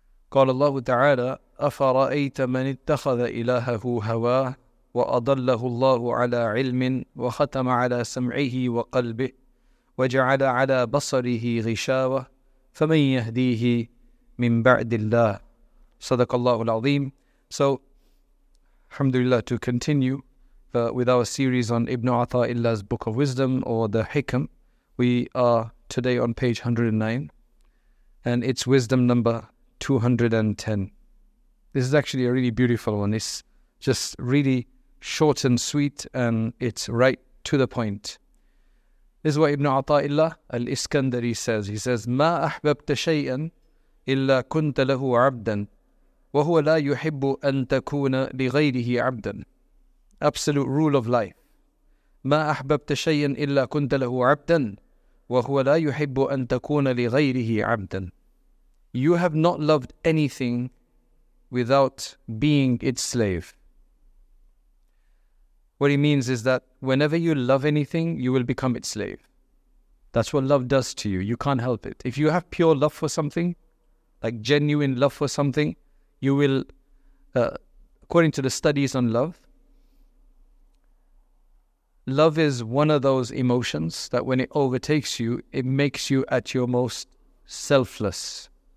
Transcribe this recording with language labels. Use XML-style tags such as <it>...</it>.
<ar>قال الله تعالى أفرأيت من اتخذ إلهه هواه وأضله الله على علم وختم على سمعه وقلبه وجعل على بصره غشاوة فمن يهديه مِن بَعْدِ اللَّهِ صَدَقَ اللَّهُ الْعَظِيمُ.</ar> <en>So, alhamdulillah, to continue with our series on Ibn Ata'illah's Book of Wisdom, or the Hikam, we are today on page 109, and it's wisdom number 210. This is actually a really beautiful one. It's just really short and sweet, and it's right to the point. This is what Ibn Ata'illah al-Iskandari says. He says,</en> <ar>مَا أَحْبَبْتَ شَيْئًا إلا كنت له عبدا وهو لا يحب أن تكون لغيره عبدا.</ar> <en>Absolute rule of life.</en> <ar>ما أحببت شيئا إلا كنت له عبدا وهو لا يحب أن تكون لغيره عبدا.</ar> <en>You have not loved anything without being its slave. What he means is that whenever you love anything, you will become its slave. That's what love does to you. You can't help it. If you have pure love for something, like genuine love for something, you will, according to the studies on love, love is one of those emotions that when it overtakes you, it makes you at your most selfless.</en>